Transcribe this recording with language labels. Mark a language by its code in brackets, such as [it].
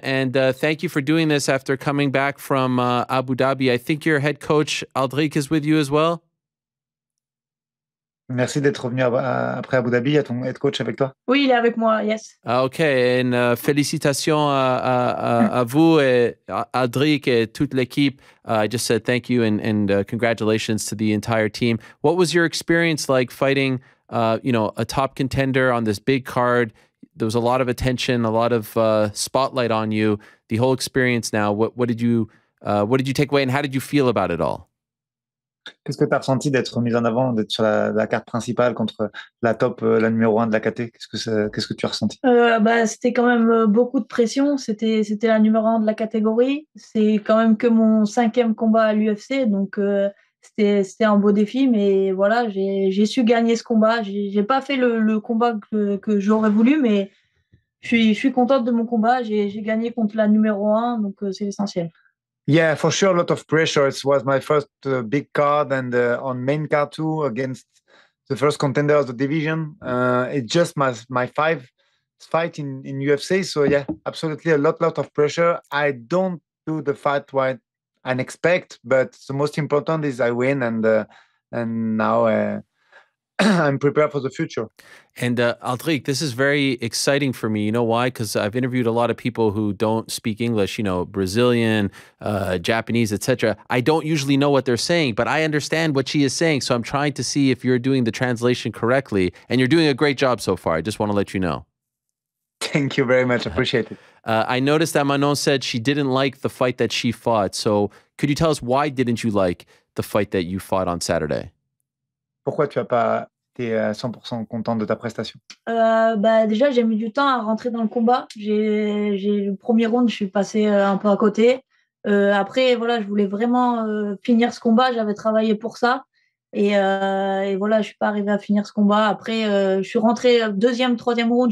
[en] And thank you for doing this after coming back from Abu Dhabi. I think your head coach, Aldric, is with you as well. [fr] Merci d'être revenu après Abu Dhabi. Il y a ton head coach avec toi? Oui, il est avec moi, yes. Ah, ok, et une félicitation à vous et à Adric et toute l'équipe. [en] I just said thank you and congratulations to the entire team. What was your experience like fighting, a top contender on this big card? There was a lot of attention, a lot of spotlight on you. The whole experience now, what did you take away and how did you feel about it all? [fr] Qu'est-ce que tu as ressenti d'être mise en avant, d'être sur la carte principale contre la top, la numéro 1 de la KT? Qu'est-ce que tu as ressenti? C'était quand même beaucoup de pression. C'était la numéro 1 de la catégorie. C'est quand même que mon cinquième combat à l'UFC. Donc, c'était un beau défi. Mais voilà, j'ai su gagner ce combat. J'ai pas fait le combat que j'aurais voulu, mais je suis contente de mon combat. J'ai gagné contre la numéro 1, donc c'est l'essentiel. [en] Yeah, for sure, a lot of pressure. It was my first big card and on main card too against the first contender of the division. It's just my fifth fight in UFC. So yeah, absolutely a lot of pressure. I don't do the fight what I expect, but the most important is I win and now I'm prepared for the future. And Aldric, this is very exciting for me. You know why? Because I've interviewed a lot of people who don't speak English, you know, Brazilian, Japanese, etc. I don't usually know what they're saying, but I understand what she is saying. So I'm trying to see if you're doing the translation correctly. And you're doing a great job so far. I just want to let you know. Thank you very much. Appreciate it. I noticed that Manon said she didn't like the fight that she fought. So could you tell us why didn't you like the fight that you fought on Saturday? [fr] Pourquoi tu n'as pas été 100% contente de ta prestation? Déjà, j'ai mis du temps à rentrer dans le combat. J'ai le premier round, je suis passée un peu à côté. Après, voilà, je voulais vraiment finir ce combat. J'avais travaillé pour ça. Et voilà, je ne suis pas arrivée à finir ce combat. Après, je suis rentrée deuxième, troisième round.